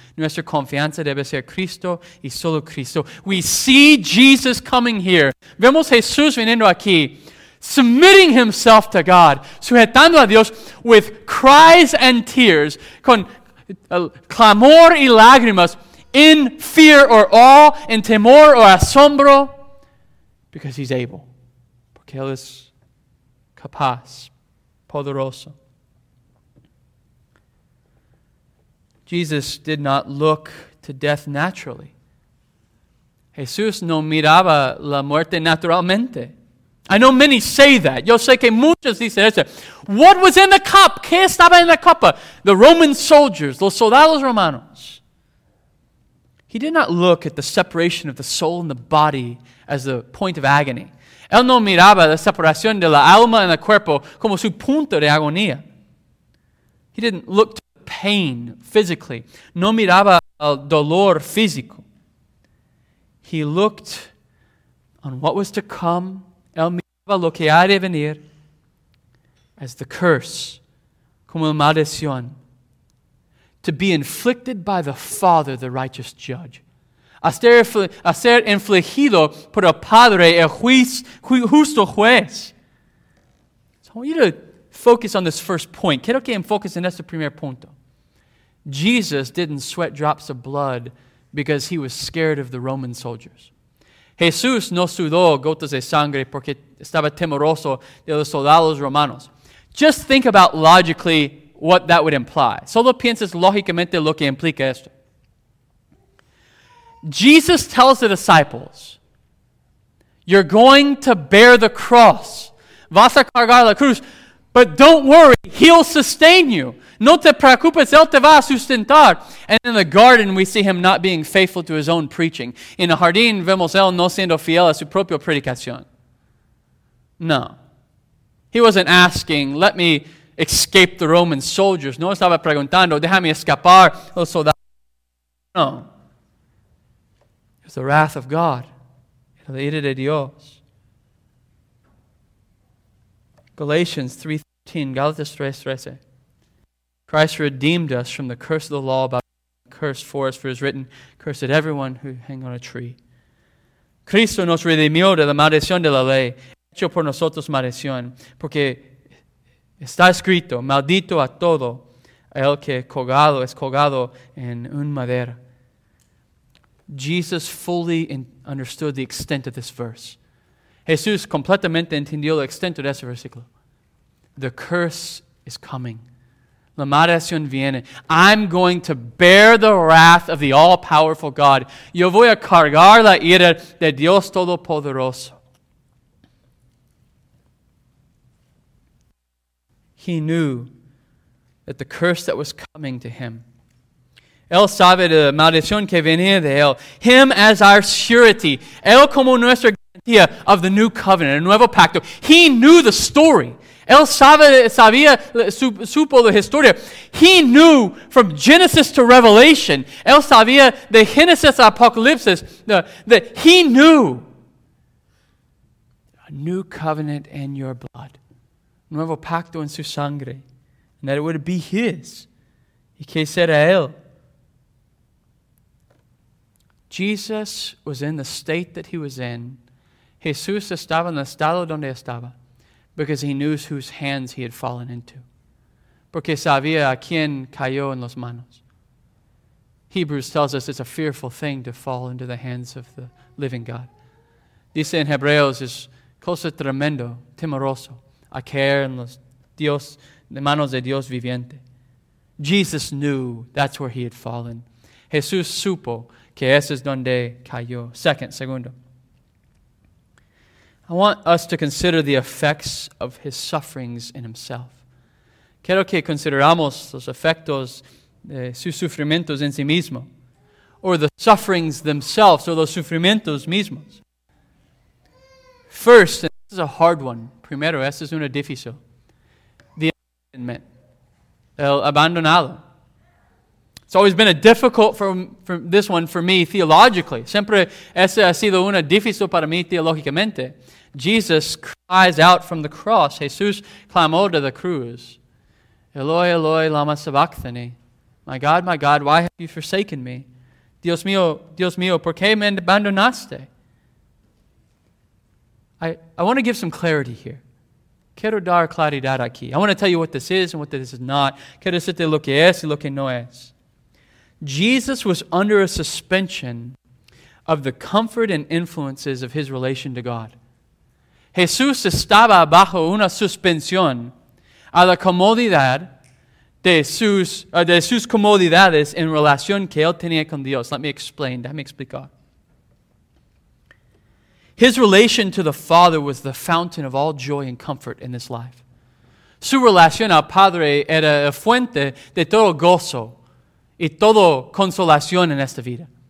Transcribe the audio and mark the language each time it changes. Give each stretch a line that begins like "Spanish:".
Spanish: Nuestra confianza debe ser Cristo y solo Cristo.
English: We see Jesus coming here.
Spanish: Vemos Jesús viniendo aquí,
English: submitting himself to God,
Spanish: sujetando a Dios
English: with cries and tears,
Spanish: con clamor y lágrimas,
English: in fear or awe, in
Spanish: temor
English: or
Spanish: asombro,
English: because he's able.
Spanish: Porque él es capaz, poderoso.
English: Jesus did not look to death naturally.
Spanish: Jesús no miraba la muerte naturalmente.
English: I know many say that.
Spanish: Yo sé que muchos dicen eso.
English: What was in the cup?
Spanish: ¿Qué estaba en la copa?
English: The Roman soldiers,
Spanish: los soldados romanos.
English: He did not look at the separation of the soul and the body as the point of agony.
Spanish: Él no miraba la separación de la alma y el cuerpo como su punto de agonía.
English: He didn't look to pain physically.
Spanish: No miraba el dolor físico.
English: He looked on what was to come.
Spanish: Él miraba lo que ha de venir
English: as the curse,
Spanish: como la maldición,
English: to be inflicted by the Father, the righteous judge.
Spanish: A ser infligido por el Padre, el justo juez.
English: So I want you to focus on this first point.
Spanish: Quiero que enfoques en este primer punto.
English: Jesus didn't sweat drops of blood because he was scared of the Roman soldiers.
Spanish: Jesús no sudó gotas de sangre porque estaba temeroso de los soldados romanos.
English: Just think about logically what that would imply.
Spanish: Solo piensas lógicamente lo que implica esto.
English: Jesus tells the disciples, you're going to bear the cross.
Spanish: Vas a cargar la cruz.
English: But don't worry, he'll sustain you.
Spanish: No te preocupes, él te va a sustentar.
English: And in the garden, we see him not being faithful to his own preaching. In the
Spanish: jardín, vemos él no siendo fiel a su propia predicación. No.
English: He wasn't asking, let me escape the Roman soldiers.
Spanish: No estaba preguntando, déjame escapar los soldados.
English: No. It was the wrath of God.
Spanish: La ira de Dios.
English: Galatians 3:13. Christ redeemed us from the curse of the law by the curse for us, for it is written, cursed everyone who hang on a tree.
Spanish: Cristo nos redimió de la maldición de la ley, hecho por nosotros maldición, porque está escrito, maldito a todo, el que colgado es colgado en un madera.
English: Jesus fully understood the extent of this verse.
Spanish: Jesús completamente entendió el extento de ese versículo.
English: The curse is coming.
Spanish: La maldición viene.
English: I'm going to bear the wrath of the all-powerful God.
Spanish: Yo voy a cargar la ira de Dios Todopoderoso.
English: He knew that the curse that was coming to him.
Spanish: Él sabe de la maldición que venía de él.
English: Him as our surety.
Spanish: Él como nuestra garantía
English: of the new covenant,
Spanish: el nuevo pacto.
English: He knew the story.
Spanish: Él supo la historia.
English: He knew from Genesis to Revelation.
Spanish: Él sabía de Genesis Apocalipsis.
English: That he knew a new covenant in your blood.
Spanish: Nuevo pacto en su sangre.
English: And that it would be his.
Spanish: Y que será él.
English: Jesus was in the state that he was in.
Spanish: Jesús estaba en el estado donde estaba
English: because he knew whose hands he had fallen into.
Spanish: Porque sabía a quién cayó en las manos.
English: Hebrews tells us it's a fearful thing to fall into the hands of the living God.
Spanish: Dice en Hebreos, es cosa tremendo, temeroso, a caer en los Dios, de manos de Dios viviente.
English: Jesus knew that's where he had fallen.
Spanish: Jesús supo que ese es donde cayó. Segundo.
English: I want us to consider the effects of his sufferings in himself.
Spanish: Quiero que consideramos los efectos de sus sufrimientos en sí mismo,
English: or the sufferings themselves, or
Spanish: los sufrimientos mismos.
English: First, and this is a hard one.
Spanish: Primero, esta es una difícil.
English: The abandonment.
Spanish: El abandonado.
English: It's always been a difficult for this one for me theologically.
Spanish: Siempre esta ha sido una difícil para mí teológicamente.
English: Jesus cries out from the cross.
Spanish: Jesús clamó de la cruz.
Aramaic: Eloi, Eloi, lama sabachthani.
English: My God, why have you forsaken me?
Spanish: Dios mío, ¿por qué me abandonaste?
English: I want to give some clarity here.
Spanish: Quiero dar claridad aquí.
English: I want to tell you what this is and what this is not.
Spanish: Quiero decirte lo que es y lo que no es.
English: Jesus was under a suspension of the comfort and influences of his relation to God.
Spanish: Jesús estaba bajo una suspensión a la comodidad de sus comodidades en relación que él tenía con Dios.
English: Let me
Spanish: explicar.
English: His relation to the Father was the fountain of all joy and comfort in this life.
Spanish: Su relación al Padre era fuente de todo gozo y todo consolación en esta vida.